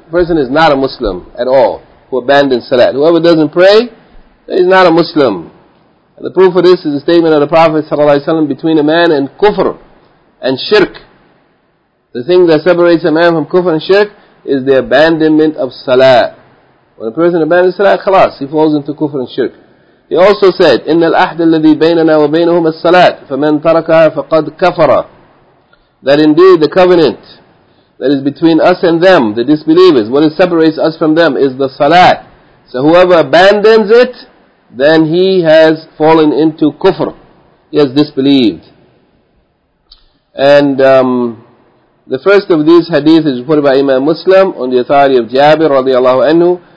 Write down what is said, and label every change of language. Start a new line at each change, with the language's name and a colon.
English: The person is not a Muslim at all who abandons salat. Whoever doesn't pray, he's not a Muslim. And the proof of this is the statement of the Prophet ﷺ between a man and kufr and shirk. The thing that separates a man from kufr and shirk is the abandonment of salat. When a person abandons salat, khalas, he falls into kufr and shirk. He also said,
Arabic: إِنَّ الْأَحْدَ الَّذِي بَيْنَنَا وَبَيْنَهُمَ الصَّلَاةِ فَمَنْ تَرَكَهَا فَقَدْ كَفَرَ.
English: That indeed the covenant that is between us and them, the disbelievers, what it separates us from them is the salat. So whoever abandons it, then he has fallen into kufr. He has disbelieved. And the first of these hadith is reported by Imam Muslim on the authority of Jabir radiallahu anhu.